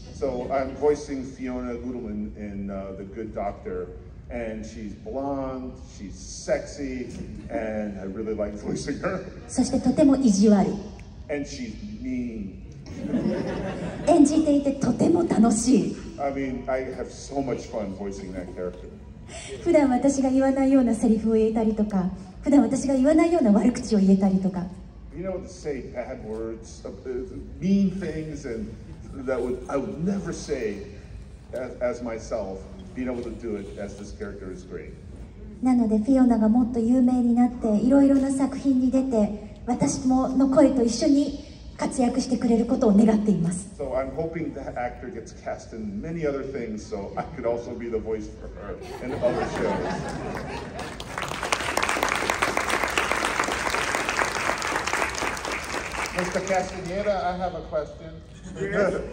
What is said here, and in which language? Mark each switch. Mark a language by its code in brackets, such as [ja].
[en] So I'm voicing Fiona Goodman in The Good Doctor, and she's blonde, she's sexy, and I really like voicing her. [ja] そしてとても意地悪い。 [en] And she's mean. [ja] 演じていてとても楽しい。 [en] I mean, I have so much fun voicing that character. [ja] 普段私が言わないようなセリフを言えたりとか、 普段私が言わないような悪口を言えたりとか。 [en] You know, to say bad words, mean things, and that I would never say as myself, being able to do it as this character is great. [ja] なので、フィオナがもっと有名になって、いろいろな作品に出て、私の声と一緒に活躍してくれることを願っています。 [en] So I'm hoping that actor gets cast in many other things, so I could also be the voice for her in other shows. Mr. Castañeda, I have a question. Yes.